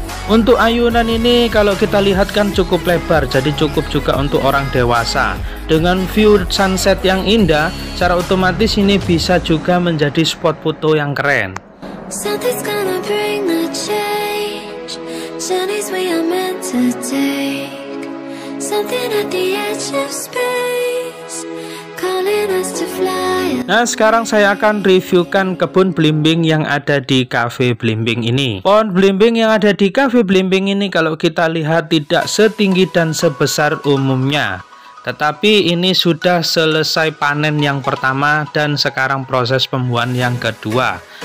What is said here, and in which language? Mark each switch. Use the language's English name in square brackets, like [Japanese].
[Indonesian] Untuk ayunan ini kalau kita lihat kan cukup lebar, jadi cukup juga untuk orang dewasa. Dengan view sunset yang indah, secara otomatis ini bisa juga menjadi spot foto yang keren. [English] Something's gonna bring the change. Journeys we are meant to take. Something at the edge of space, calling us to fly. [Indonesian] Nah, sekarang saya akan reviewkan kebun belimbing yang ada di Cafe Blimbing ini. Pohon belimbing yang ada di Cafe Blimbing ini kalau kita lihat tidak setinggi dan sebesar umumnya. Tetapi ini sudah selesai panen yang pertama dan sekarang proses pembuahan yang kedua.